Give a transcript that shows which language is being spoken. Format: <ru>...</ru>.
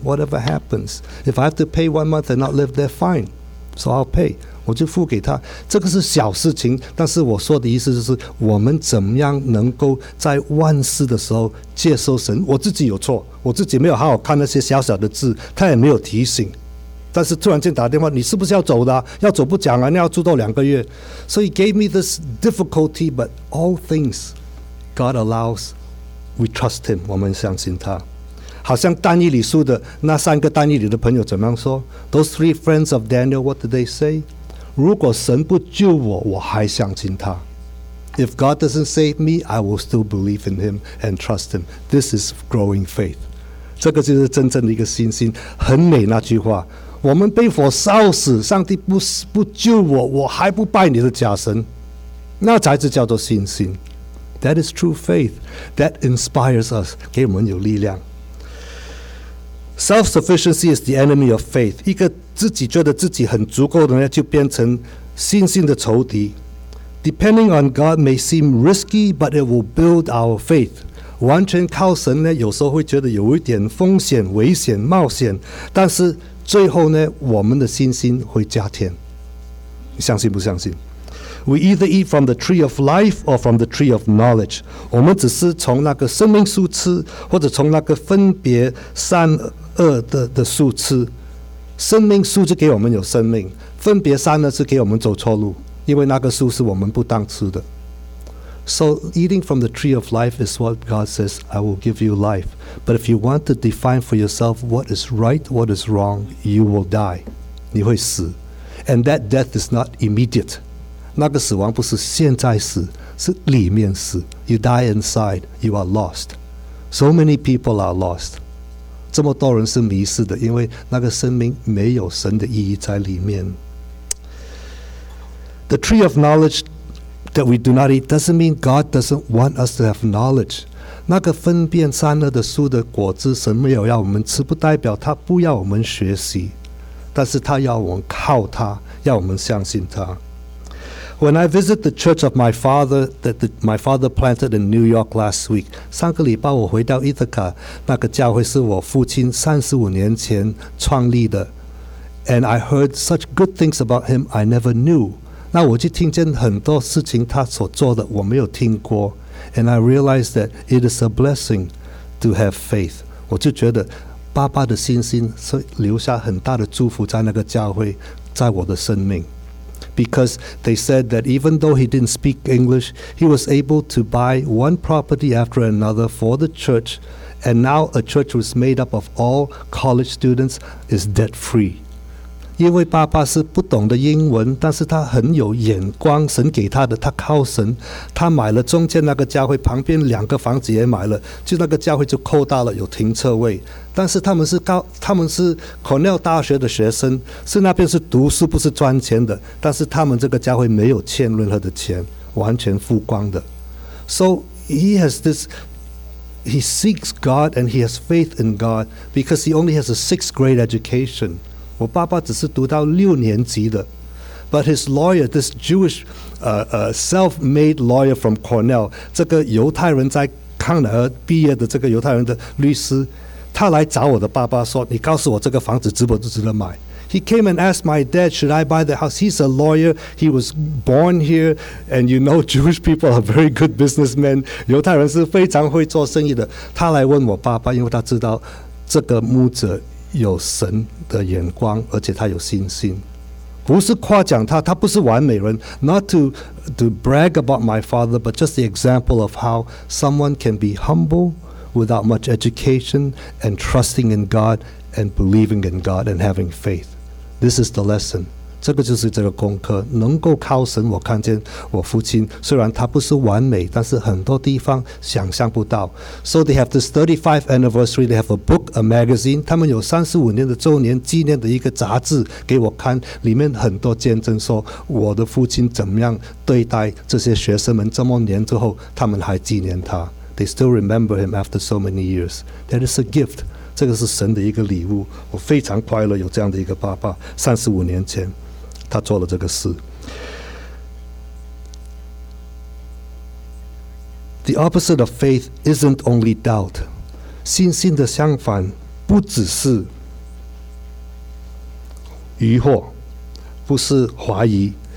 <en>Whatever happens, if I have to pay 1 month and not live there, fine. So I'll pay.</en> <zh>我就付给他。这个是小事情，但是我说的意思就是，我们怎么样能够在万事的时候接受神？我自己有错。我自己没有好好看那些小小的字，他也没有提醒，但是突然间打电话，你是不是要走的？要走不讲啊，你要住到2个月。</zh> <en>So he gave me this difficulty, but all things God allows, we trust him,</en> <zh>我们相信他。好像但以理书的那3个但以理的朋友怎么样说？</zh> <en>Those 3 friends of Daniel, what did they say?</en> <zh>如果神不救我，我还相信他。</zh> <en>If God doesn't save me, I will still believe in Him and trust Him. This is growing faith.</en> <zh>这个就是真正的一个信心。很美那句话，我们被火烧死，上帝不救我，我还不拜你的假神，那才是叫做信心。</zh> <en>That is true faith. That inspires us,</en> <zh>给我们有力量。</zh> <en>Self-sufficiency is the enemy of faith.</en> <zh>一个自己觉得自己很足够的人，就变成信心的仇敌。</zh> <en>Depending on God may seem risky, but it will build our faith.</en> <zh>完全靠神呢，有时候会觉得有一点风险、危险、冒险，但是最后呢，我们的信心会加添。你相信不相信？</zh> <en>We either eat from the tree of life or from the tree of knowledge.</en> <zh>我们只是从那个生命树吃，或者从那个分别善恶的树吃。生命树就给我们有生命，分别善恶是给我们走错路。因为那个树是我们不当吃的。</zh> <en>So eating from the tree of life is what God says, I will give you life. But if you want to define for yourself what is right, what is wrong, you will die.</en> <zh>你会死。</zh> <en>And that death is not immediate.</en> <zh>那个死亡不是现在死，是里面死。</zh> <en>You die inside, you are lost. So many people are lost.</en> <zh>这么多人是迷失的，因为那个生命没有神的意义在里面。</zh> <en>The tree of knowledge that we do not eat doesn't mean God doesn't want us to have knowledge.</en> <zh>那个分辨善恶的树的果子，神没有要我们吃，不代表他不要我们学习，但是他要我们靠他，要我们相信他。</zh> <en>When I visit the church of my father that my father planted in New York last week,</en> <zh>上个礼拜我回到伊特卡，那个教会是我父亲35年前创立的。</zh> <en>And I heard such good things about him I never knew.</en> <zh>那我就听见很多事情他所做的我没有听过。</zh> <en>And I realized that it is a blessing to have faith.</en> <zh>我就觉得爸爸的信心是留下很大的祝福在那个教会，在我的生命。</zh> <en>Because they said that even though he didn't speak English, he was able to buy one property after another for the church, and now a church was made up of all college students is debt free.</en> <zh>因为爸爸是不懂的英文，但是他很有眼光，神给他的，他靠神，他买了中间那个教会，旁边两个房子也买了，就那个教会就扩大了，有停车位。但是他们是 Cornell 大学的学生，是那边是读书不是赚钱的，但是他们这个教会没有欠任何的钱，完全付光的。</zh> <en>So he has this, he seeks God and he has faith in God because he only has a sixth grade education.</en> <zh>我爸爸只是读到六年级的。</zh> <en>But his lawyer, this Jewish self-made lawyer from Cornell,</en> <zh>这个犹太人在康乃尔毕业的这个犹太人的律师，他来找我的爸爸说，你告诉我这个房子值不值得买。</zh> <en>He came and asked my dad, should I buy the house? He's a lawyer, he was born here, and you know Jewish people are very good businessmen.</en> <zh>犹太人是非常会做生意的。他来问我爸爸，因为他知道这个牧者有神的眼光，而且他有信心。不是夸奖他，他不是完美人。</zh> <en>Not to brag about my father, but just the example of how someone can be humble,without much education, and trusting in God, and believing in God, and having faith. This is the lesson.</en> <zh>这个就是这个功课。能够靠神，我看见我父亲，虽然他不是完美，但是很多地方想象不到。</zh> <en>So they have this 35th anniversary, they have a book, a magazine.</en> <zh>他们有35年的周年纪念的一个杂志给我看，里面很多见证说我的父亲怎么样对待这些学生们，这么年之后，他们还纪念他。</zh> <en>They still remember him after so many years. That is a gift.</en> <zh>这个是神的一个礼物。我非常快乐有这样的一个爸爸。三十五年前，他做了这个事。</zh> <en>The opposite of faith isn't only doubt.</en> <zh>信心的相反不只是疑惑，不是怀疑。</zh>